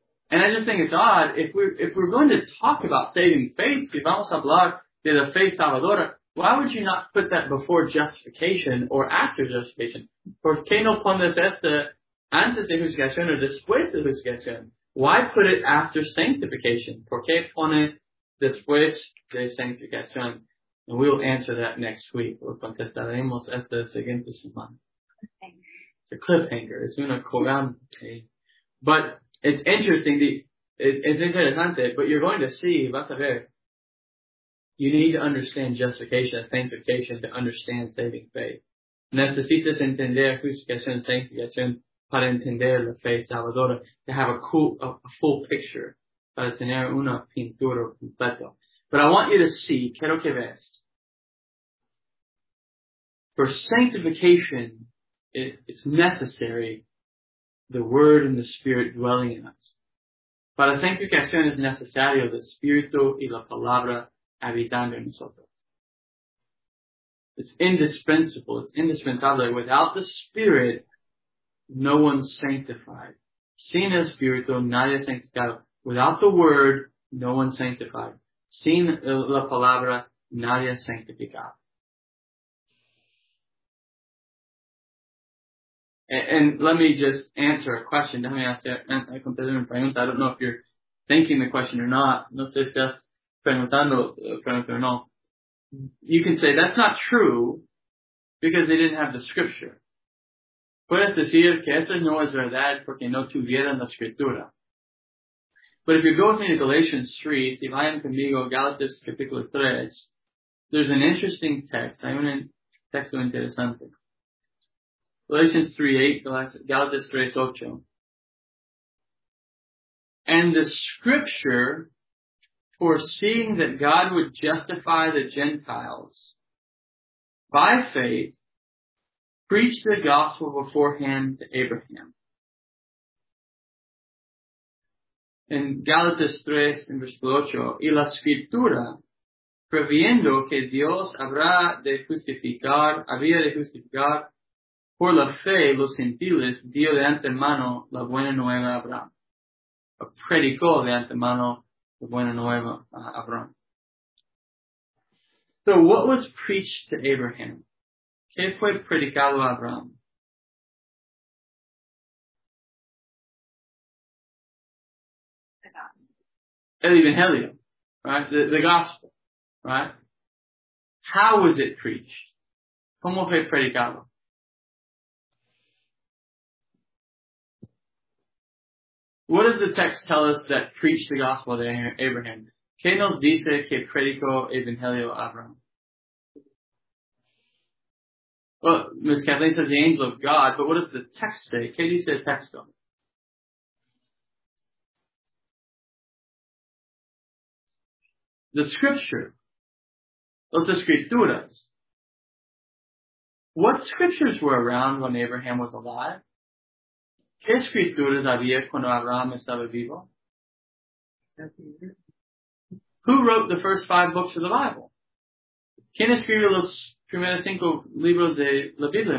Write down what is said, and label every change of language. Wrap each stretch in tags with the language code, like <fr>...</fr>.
<en>And I just think it's odd, if we're going to talk about saving faith,</en> <es>si vamos a hablar de la fe salvadora,</es> <en>why would you not put that before justification or after justification?</en> <es>¿Por qué no pones esta antes de justificación o después de justificación?</es> <en>Why put it after sanctification?</en> <es>¿Por qué pone después de sanctificación?</es> <en>And we'll answer that next week.</en> <es>Lo contestaremos esta siguiente semana.</es> <en>It's a cliffhanger.</en> <es>Es una colgante.</es> <en>But it's interesting. It's interesante, but you're going to see,</en> <es>vas a ver,</es> <en>you need to understand justification and sanctification to understand saving faith.</en> <es>Necesitas entender justificación y sanctificación para entender la fe salvadora,</es> <en>to have a full picture,</en> <es>para tener una pintura completa.</es> <en>But I want you to see,</en> <es>quiero que veas,</es> <en>for sanctification, it's necessary the Word and the Spirit dwelling in us.</en> <es>Para sanctificación es necesario el Espíritu y la Palabra habitando en nosotros.</es> <en>It's indispensable. Without the Spirit, no one's sanctified.</en> <es>Sin el Espíritu, nadie es sanctificado.</es> <en>Without the Word, no one's sanctified.</en> <es>Sin la Palabra, nadie es sanctificado.</es> <en>And let me just answer a question. I don't know if you're thinking the question or not.</en> <es>No sé si estás preguntando o no.</es> <en>You can say, that's not true because they didn't have the scripture.</en> <es>Puedes decir que eso no es verdad porque no tuvieron la escritura.</es> <en>But if you go with me to Galatians 3,</en> <es>si vayan conmigo, Galatians capítulo 3,</es> <en>there's an interesting text.</en> <es>Hay un texto interesante. Galatians 3:8.</es> <en>And the scripture, foreseeing that God would justify the Gentiles by faith, preached the gospel beforehand to Abraham. In Galatians 3:8,</en> <es>y la escritura, previendo que Dios había de justificar por la fe, los gentiles, dio de antemano la buena nueva a Abraham. O predicó de antemano la buena nueva a Abraham.</es> <en>So what was preached to Abraham?</en> <es>¿Qué fue predicado a Abraham?</es> <en>The gospel. Evangelium, right? The gospel, right? How was it preached?</en> <es>¿Cómo fue predicado?</es> <en>What does the text tell us that preached the gospel to Abraham?</en> <es>¿Qué nos dice que predicó Evangelio a Abraham?</es> <en>Well, Ms. Kathleen says the angel of God, but what does the text say?</en> <es>¿Qué dice el texto?</es> <en>The scripture.</en> <es>Los escrituras.</es> <en>What scriptures were around when Abraham was alive?</en> <es>¿Qué escrituras había cuando Abraham estaba vivo?</es> <en>Who wrote the first five books of the Bible?</en> <es>¿Quién escribió los primeros cinco libros de la Biblia?</es>